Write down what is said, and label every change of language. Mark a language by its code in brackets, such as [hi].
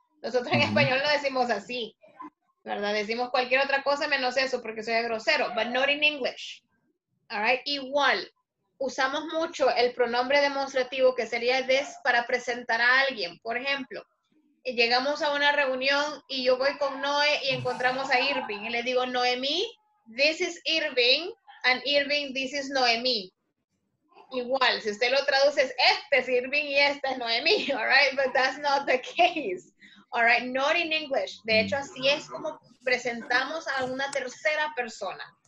[es] Nosotros en español lo decimos así, ¿verdad? Decimos cualquier otra cosa menos eso porque soy grosero, [en] but not in English. All right? [es] Igual, usamos mucho el pronombre demostrativo que sería this para presentar a alguien. Por ejemplo, llegamos a una reunión y yo voy con Noé y encontramos a Irving. Y le digo, [en] Noemí, this is Irving, and Irving, this is Noemí. [es] Igual, si usted lo traduce, este es Irving y esta es Noemí. [en] All right? But that's not the case. All right, not in English. [es] De hecho, así es como presentamos a una tercera persona.